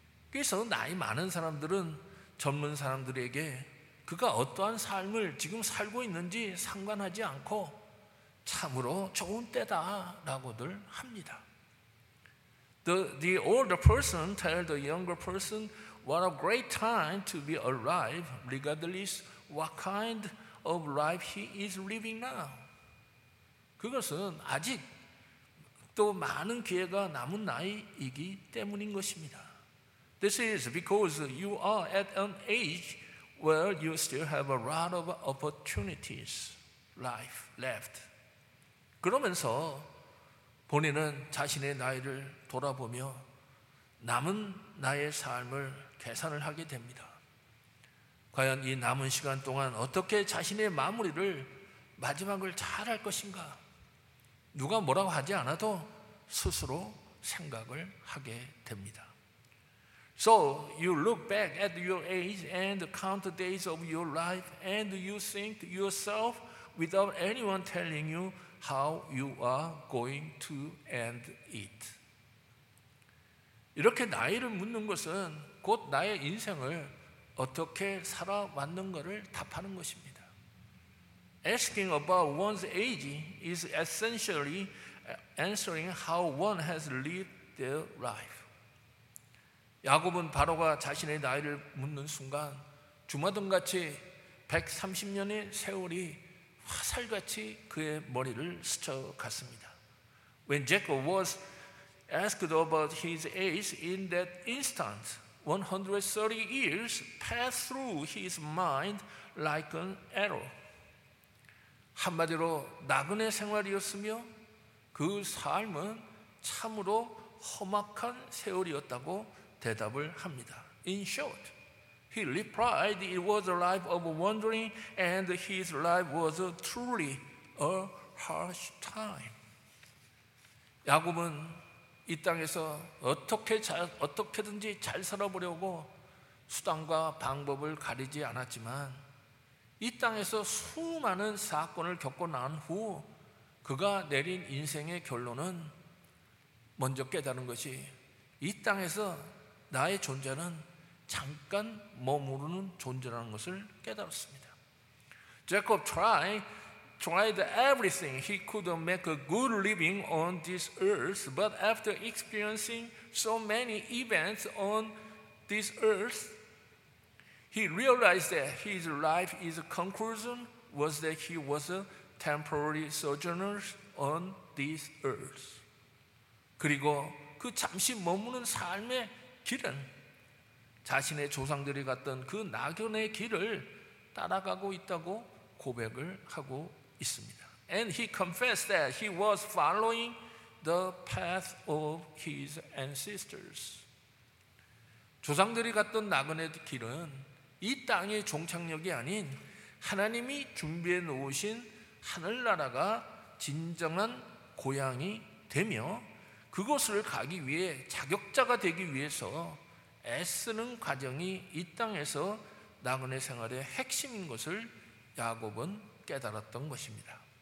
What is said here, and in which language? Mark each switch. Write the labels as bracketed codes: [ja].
[ko] 그래서 나이 많은 사람들은 젊은 사람들에게 그가 어떠한 삶을 지금 살고 있는지 상관하지 않고 참으로 좋은 때다라고들 합니다. [en] The older person tells the younger person what a great time to be alive regardless what kind of life he is living now. [ko] 그것은 아직 또 많은 기회가 남은 나이이기 때문인 것입니다. [en] This is because you are at an age where you still have a lot of opportunities, life left. [ko] 그러면서 본인은 자신의 나이를 돌아보며 남은 나의 삶을 계산을 하게 됩니다. 과연 이 남은 시간 동안 어떻게 자신의 마무리를 마지막을 잘할 것인가? 누가 뭐라고 하지 않아도 스스로 생각을 하게 됩니다. [en] So you look back at your age and count the days of your life and you think to yourself without anyone telling you how you are going to end it. [ko] 이렇게 나이를 묻는 것은 곧 나의 인생을 어떻게 살아왔는가를 답하는 것입니다. [en] Asking about one's age is essentially answering how one has lived their life. [ko] 야곱은 바로가 자신의 나이를 묻는 순간 주마등같이 130년의 세월이 화살같이 그의 머리를 스쳐갔습니다. [en] When Jacob was asked about his age in that instant, 130 years passed through his mind like an arrow. [ko] 한마디로 나그네 생활이었으며 그 삶은 참으로 험악한 세월이었다고 대답을 합니다. [en] In short, he replied it was a life of wandering and his life was truly a harsh time. [ko] 야곱은 이 땅에서 어떻게든지 잘 살아보려고 수단과 방법을 가리지 않았지만 이 땅에서 수많은 사건을 겪고 난 후 그가 내린 인생의 결론은 먼저 깨달은 것이 이 땅에서 나의 존재는 잠깐 머무르는 존재라는 것을 깨달았습니다. [en] Jacob tried everything he could to make a good living on this earth, but after experiencing so many events on this earth, he realized that his life is a conclusion was that he was a temporary sojourner on this earth. [ko] 그리고 그 잠시 머무는 삶의 길은 자신의 조상들이 갔던 그 낙연의 길을 따라가고 있다고 고백을 하고 있습니다. [en] And he confessed that he was following the path of his ancestors. [ko] 조상들이 갔던 나그네 길은 이 땅의 종착역이 아닌 하나님이 준비해 놓으신 하늘나라가 진정한 고향이 되며 그곳을 가기 위해 자격자가 되기 위해서 애쓰는 과정이 이 땅에서 나그네 생활의 핵심인 것을 야곱은 깨달았던 것입니다.